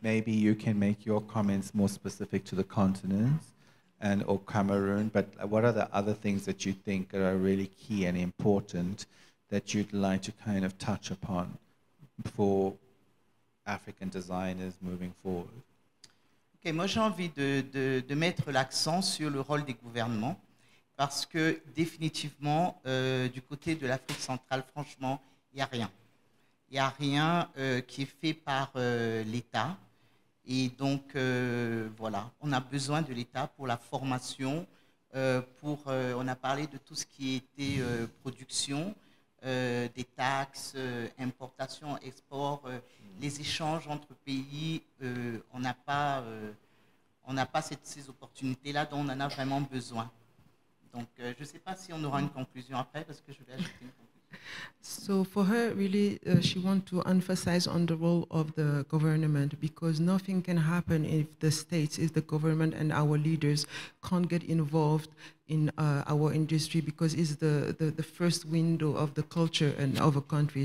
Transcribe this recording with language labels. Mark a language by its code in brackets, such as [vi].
[en] Maybe you can make your comments more specific to the continent and or Cameroon, but what are the other things that you think are really key and important that you'd like to kind of touch upon for African designers moving forward? [fr] Okay, moi j'ai envie de mettre l'accent sur le rôle des gouvernements, parce que définitivement, du côté de l'Afrique centrale, franchement, il n'y a rien. Il n'y a rien qui est fait par l'État. Et donc, voilà, on a besoin de l'État pour la formation. On a parlé de tout ce qui était production, des taxes, importations, exports, les échanges entre pays. On n'a pas ces opportunités-là dont on en a vraiment besoin. Donc, je ne sais pas si on aura une conclusion après, parce que je vais ajouter une conclusion. [en] So for her, really, she wants to emphasize on the role of the government, because nothing can happen if the states, if the government and our leaders can't get involved in our industry, because it's the first window of the culture and of a country.